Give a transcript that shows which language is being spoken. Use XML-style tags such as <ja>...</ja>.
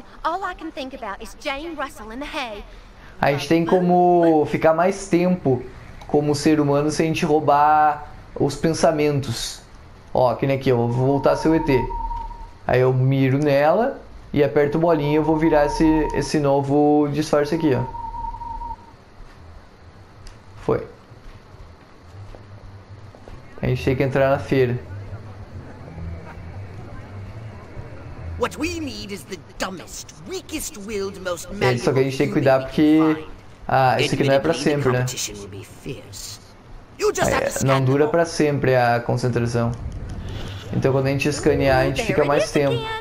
<en>All I can think about is Jane Russell in the hay.</en> <pt>A gente tem como ficar mais tempo como ser humano sem a gente roubar os pensamentos. Ó, que nem aqui, eu vou voltar a ser o ET. Aí eu miro nela e aperto bolinha e vou virar esse novo disfarce aqui, ó. Foi. A gente tem que entrar na feira.</pt> <en>What we need is the dumbest, weakest willed, most malleable.</en> <pt>Só que a gente tem que cuidar porque. Ah, esse aqui não é pra sempre, né? Ah, é. Não dura pra sempre a concentração. Então quando a gente escanear, a gente fica mais tempo.</pt>